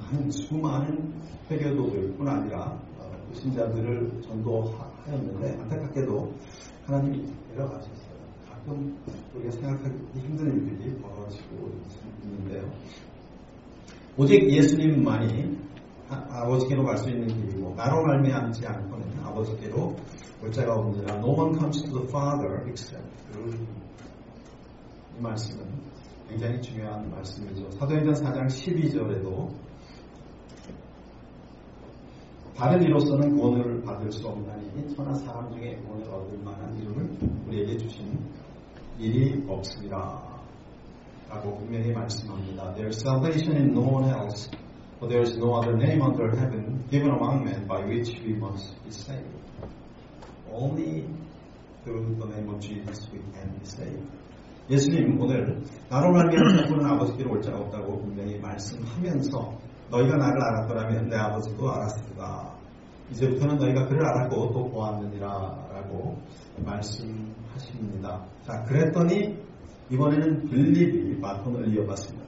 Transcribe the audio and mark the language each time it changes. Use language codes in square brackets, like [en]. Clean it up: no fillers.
[ko] 수많은 회교도들 뿐 아니라 신자들을 전도하였는데 안타깝게도 하나님이 내려가셨어요. 가끔 우리가 생각하기 힘든 일들이 벌어지고 있는데요. 오직 예수님만이 아버지께로 갈 수 있는 길이고 나로 말미암지 않고는 아버지께로 올 자가 없느니라. [en] No one comes to the Father except through. [ko] 이 말씀은 굉장히 중요한 말씀이죠. 사도행전 4장 12절에도 다른 이로서는 구원을 받을 수 없는 하나님, 천하 사람 중에 구원을 얻을 만한 이름을 우리에게 주신 일이 없습니다. 라고 분명히 말씀합니다. [en] There is salvation in no one else, for there is no other name under heaven given among men by which we must be saved. Only through the name of Jesus we can be saved. [ko] 예수님 오늘 나로 말미암아 구원을 아버지께로 올 자가 없다고 분명히 말씀하면서 너희가 나를 알았더라면 내 아버지도 알았으리라. 이제부터는 너희가 그를 알았고 또 보았느니라 라고 말씀하십니다. 자, 그랬더니 이번에는 빌립이 마톤을 이어받습니다.